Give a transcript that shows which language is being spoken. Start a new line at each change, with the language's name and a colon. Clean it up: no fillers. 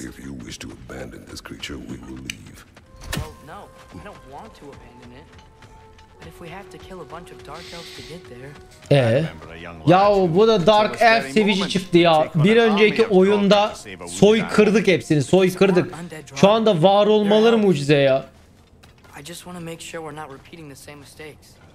English: If you wish to abandon this creature, we will leave. Well, no. I don't want to abandon it. But if we have to kill a bunch of dark elves to get there.
Turkish: Ya bu da Dark Elf seviyici çıktı ya. Bir önceki oyunda soy kırdık hepsini, soy kırdık. Şu anda var olmaları mucize ya.
English: I just want to make sure we're not repeating the same mistakes.